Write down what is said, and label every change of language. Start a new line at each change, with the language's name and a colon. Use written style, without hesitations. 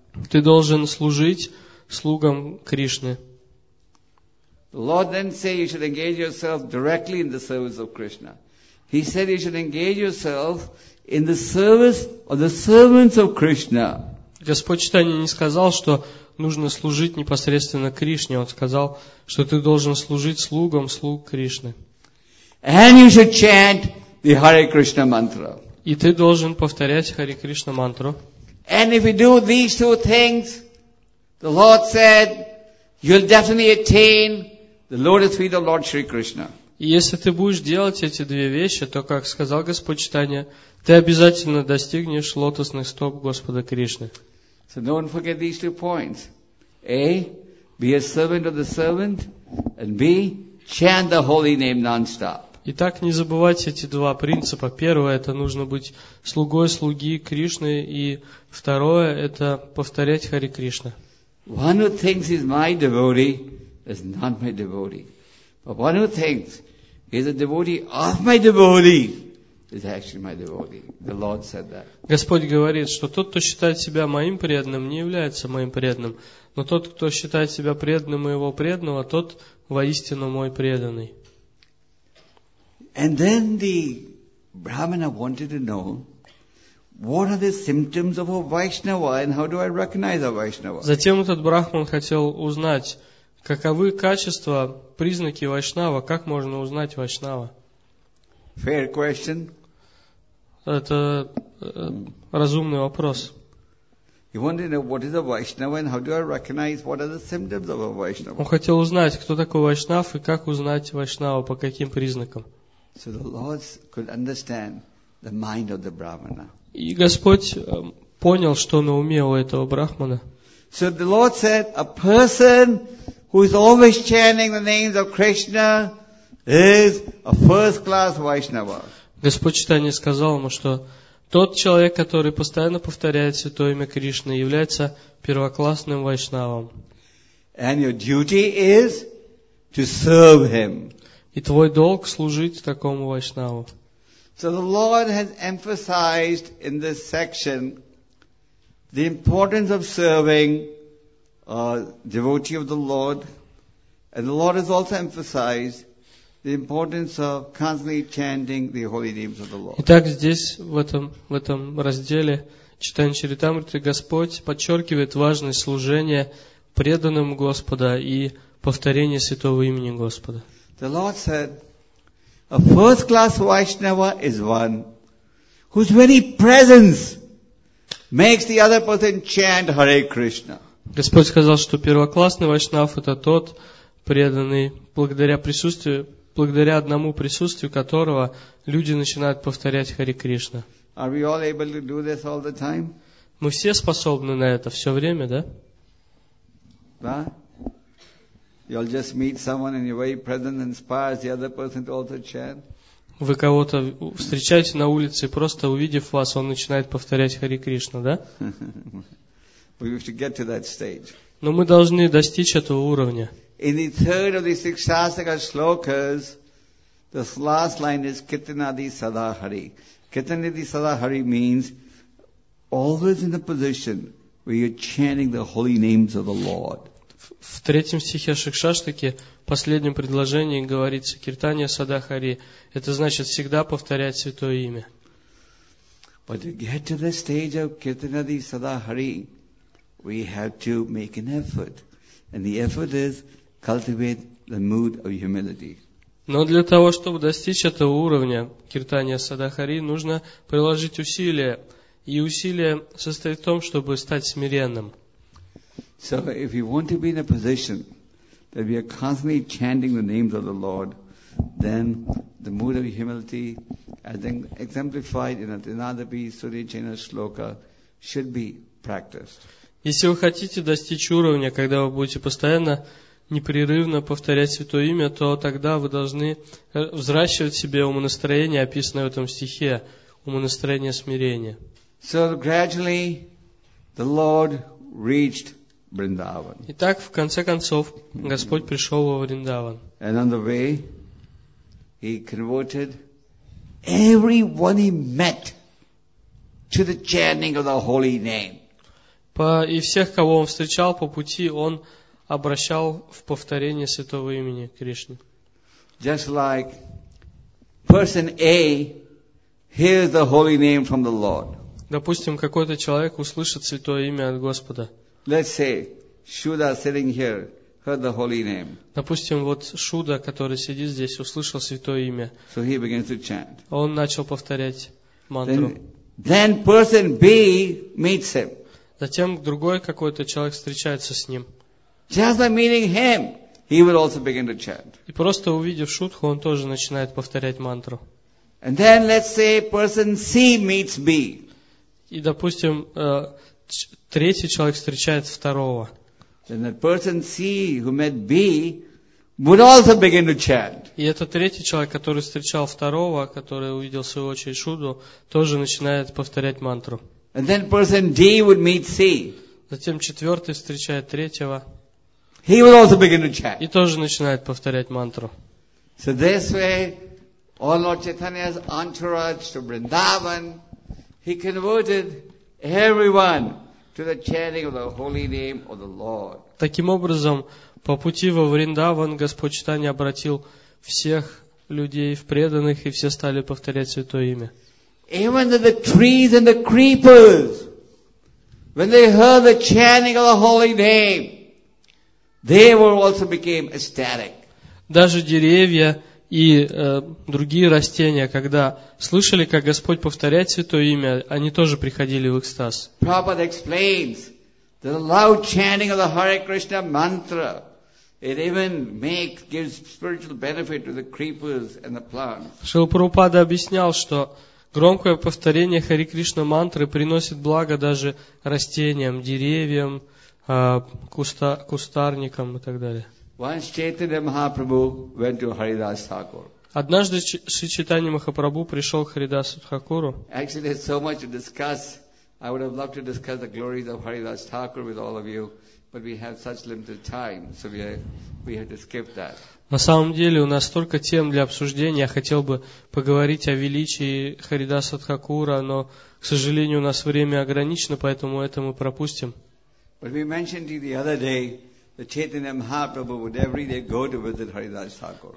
Russian: Ты должен служить слугам Кришны. Господь Чайтанья не сказал, что нужно служить непосредственно Кришне. Он сказал, что ты должен служить слугам слуг Кришны.
English: And you should chant the Hare Krishna mantra.
Russian: И ты должен повторять Харе Кришна мантру.
English: And if you do these two things, the Lord said, you'll definitely attain the lotus feet of Lord Shri Krishna.
Russian: И если ты будешь делать эти две вещи, то, как сказал Господь Чайтанья, ты обязательно достигнешь лотосных стоп Господа Кришны.
English: So don't forget these two points. A, be a servant of the servant, and B, chant the holy name non-stop.
Russian: Итак, не забывайте эти два принципа. Первое, это нужно быть слугой слуги Кришны, и второе, это повторять Харе Кришна.
English: One who thinks he's my devotee is not my devotee. But one who thinks he is a devotee of my devotee is actually my devotee. The Lord said that.
Russian: Господь говорит, что тот, кто считает себя моим преданным, не является моим преданным, но тот, кто считает себя преданным моего преданного, тот воистину мой преданный.
English: And then the Brahmana wanted to know, what are the symptoms of a Vaishnava and how do I recognize a Vaishnava?
Russian: Затем этот брахман хотел узнать, каковы качества, признаки Вайшнава, как можно узнать Вайшнава?
English: Fair question.
Russian: Это разумный вопрос.
English: He wanted to know what is a Vaishnava and how do I recognize what are the symptoms of a Vaishnava?
Russian: Он хотел узнать, кто такой Вайшнав и как узнать Вайшнава, по каким признакам.
English: So the Lord could understand the mind of the Brahmana.
Russian: И Господь понял, что на уме у этого брахмана.
English: So the Lord said, a person who is always chanting the names of Krishna is a first-class Vaishnava.
Russian: Господь Читание сказал ему, что тот человек, который постоянно повторяет святое имя Кришны, является первоклассным вайшнавом.
English: And your duty is to serve him.
Russian: И твой долг служить такому вайшнаву.
English: So the Lord has emphasized in this section the importance of serving a devotee of the Lord, and the Lord has also emphasized the importance of constantly chanting the holy names of the Lord.
Russian: Итак, здесь в этом разделе читания Чаритамриты Господь подчеркивает важность служения преданным Господа и повторения святого имени Господа.
English: The Lord said, a first-class Vaishnava is one whose very presence makes the other person chant Hare Krishna.
Russian: Господь сказал, что первоклассный вайшнав это тот преданный, благодаря одному присутствию которого люди начинают повторять Hare Krishna.
English: Are we all able to do this all the time?
Russian: Мы все способны на это все время, да? Да.
English: You'll just meet someone and your very presence inspires the other person to also chant.
Russian: Вы кого-то встречаете на улице, просто увидев вас, он начинает повторять Хари Кришна, да?
English: We have to get to that stage.
Russian: Но мы должны достичь этого уровня.
English: In the third of the six Shastaka shlokas, the last line is Kirtanadi Sadahari. Kirtanadi Sadahari means always in a position where you're chanting the holy names of the Lord.
Russian: В третьем стихе Шикшаштаки, в последнем предложении говорится «Киртания Садахари». Это значит всегда повторять святое имя.
English: But to get to the stage of Kirtanadi Sadahari, we have to make an effort. And the effort is cultivate the mood of humility.
Russian: Но для того, чтобы достичь этого уровня Киртания Садахари, нужно приложить усилия. И усилия состоят в том, чтобы стать смиренным.
English: So if we want to be in a position that we are constantly chanting the names of the Lord, then the mood of humility, as exemplified in Atinadabhi Suri Chena Shloka, should be practiced.
Russian: Если вы хотите достичь уровня, когда вы будете постоянно, непрерывно повторять Святое Имя, то тогда вы должны взращивать в себе умонастроение, описанное в этом стихе, умонастроение смирения.
English: So gradually, the Lord reached Vrindavan.
Russian: Итак, в конце концов, Господь пришел во Вриндаван.
English: And on the way, he converted everyone he met to the chanting of the holy name.
Russian: И всех, кого он встречал по пути, он обращал в повторение святого имени Кришны.
English: Just like person A hears the holy name from the Lord.
Russian: Допустим, какой-то человек услышит святое имя от Господа.
English: Let's say Shuddha sitting here heard the holy name.
Russian: Допустим, вот Шуда, который сидит здесь, услышал святое имя.
English: So he begins to chant.
Russian: Он начал повторять мантру.
English: Then person B meets him.
Russian: Затем другой какой-то человек встречается с ним.
English: Just by meeting him, he will also begin to chant.
Russian: И просто увидев Шудху, он тоже начинает повторять мантру.
English: And then let's say person C meets B.
Russian: И допустим, третий человек встречает второго.
English: Then that person C who met B would also begin to chant.
Russian: И этот третий человек, который встречал второго, который увидел в свою очередь Шуду, тоже начинает повторять мантру.
English: And then person D would meet C.
Russian: Затем четвертый встречает третьего.
English: He would also begin to chant.
Russian: И тоже начинает повторять мантру.
English: So this way, all Lord Chaitanya's entourage to Vrindavan, he converted everyone to the chanting of the holy name of the Lord.
Russian: Таким образом, по пути во Вриндаван Господь Чайтанья обратил всех людей в преданных, и все стали повторять Святое Имя.
English: Even the trees and the creepers, when they heard the chanting of the holy name, they were also became ecstatic.
Russian: Даже деревья и другие растения, когда слышали, как Господь повторяет Святое Имя, они тоже приходили в экстаз.
English: Prabhupada explains that the loud chanting of the Hare Krishna mantra, it even gives spiritual benefit to the creepers and the plants.
Russian: Шрила Прабхупада объяснял, что громкое повторение Хари Кришна мантры приносит благо даже растениям, деревьям, кустарникам и так далее.
English: Once Chaitanya Mahaprabhu went to Haridas Thakur.
Russian: Однажды Шри Чайтанья Махапрабху пришел к Харидасу Тхакуру.
English: Actually, there's so much to discuss. I would have loved to discuss the glories of Haridas Thakur with all of you, but we have such limited time, so we had to skip that.
Russian: На самом деле у нас столько тем для обсуждения. Я хотел бы поговорить о величии Харидаса Тхакура, но, к сожалению, у нас время ограничено, поэтому это мы пропустим.
English: But we mentioned to you the other day. Chaitanya Mahaprabhu would every day go to visit Haridas Thakur.